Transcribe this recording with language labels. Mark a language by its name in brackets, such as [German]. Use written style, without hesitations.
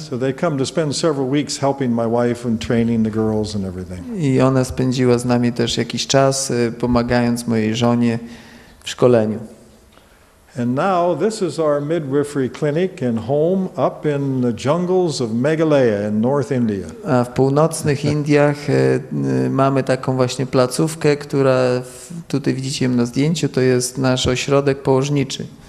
[English] So they come to spend several weeks helping my wife and training the girls and everything. [Polish] I ona spędziła z nami też jakiś czas, pomagając mojej żonie w szkoleniu. [English] And now this is our midwifery clinic and home up in the jungles of Meghalaya in North India. [Polish] A w północnych Indiach mamy taką właśnie placówkę, która tutaj widzicie na zdjęciu, to jest nasz ośrodek położniczy.